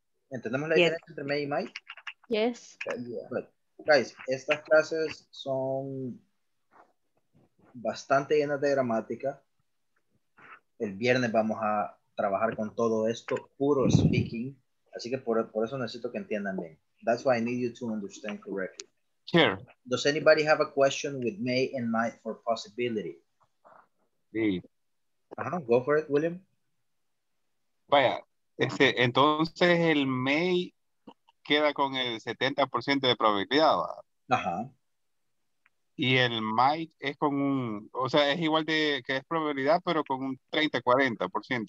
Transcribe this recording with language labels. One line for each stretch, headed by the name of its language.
Spanish: ¿Entendemos la yes. diferencia entre May y May?
English: Yes. Yeah.
Spanish: Guys, estas clases son bastante llenas de gramática. El viernes vamos a trabajar con todo esto, puro speaking. Así que por eso necesito que entiendan bien.
English: That's why I need you to understand correctly. Here. Does anybody have a question with May and might for possibility?
Spanish: Sí.
English: Uh-huh. Go for it, William.
Spanish: Vaya. Este, entonces el may queda con el 70% de probabilidad. Ajá. Y el might es con un, o sea, es igual de que es probabilidad, pero con un 30-40%.